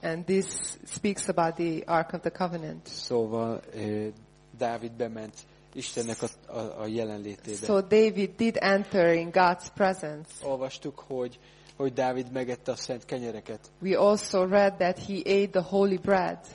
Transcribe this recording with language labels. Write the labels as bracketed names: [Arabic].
[English] And this speaks about the Ark of the Covenant. [Hungarian] Szóval Dávid bement Istennek a jelenlétébe. [English] So David did enter in God's presence. [Hungarian] Olvastuk, hogy Dávid megette a szent kenyereket. [English] We also read that he ate the holy bread.